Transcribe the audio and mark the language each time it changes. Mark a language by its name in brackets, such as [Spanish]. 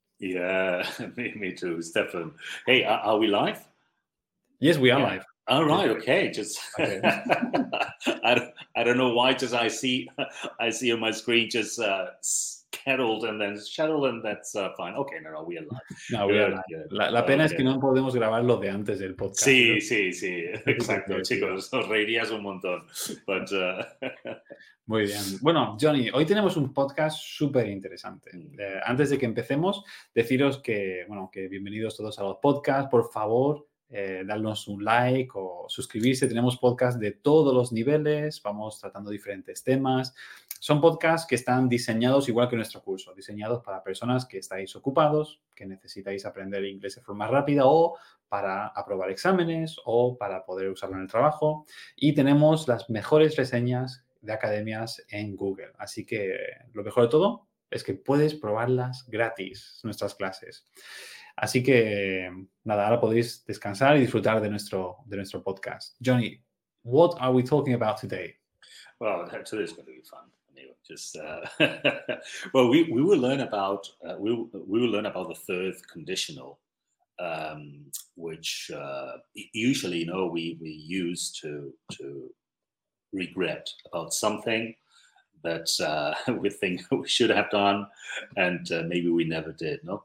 [English] Yeah, me too, Stefan. Hey, are we live? Yes, we are live. All right, okay. I don't know why I see on my screen just scheduled and then scheduled, and that's fine. Okay, no, we are live. No, we are live. [Spanish] La pena es que no podemos grabar lo de antes del podcast. Sí, ¿no? sí. Exacto, chicos, os reirías un montón. But, Muy bien. Bueno, Johnny, hoy tenemos un podcast súper interesante. Antes de que empecemos, deciros que, bueno, que bienvenidos todos a los podcasts. Por favor, darnos un like o suscribirse. Tenemos podcasts de todos los niveles. Vamos tratando diferentes temas. Son podcasts que están diseñados igual que nuestro curso, diseñados para personas que estáis ocupados, que necesitáis aprender inglés de forma rápida o para aprobar exámenes o para poder usarlo en el trabajo. Y tenemos las mejores reseñas de academias en Google. Así que lo mejor de todo es que puedes probarlas gratis, nuestras clases. Así que, nada, ahora podéis descansar y disfrutar de nuestro podcast. [English] Johnny, what are we talking about today? Well, today is going to be fun. Anyway, just well, we will learn about the third conditional, which usually, you know, we use to regret about something that we think we should have done, and maybe we never did.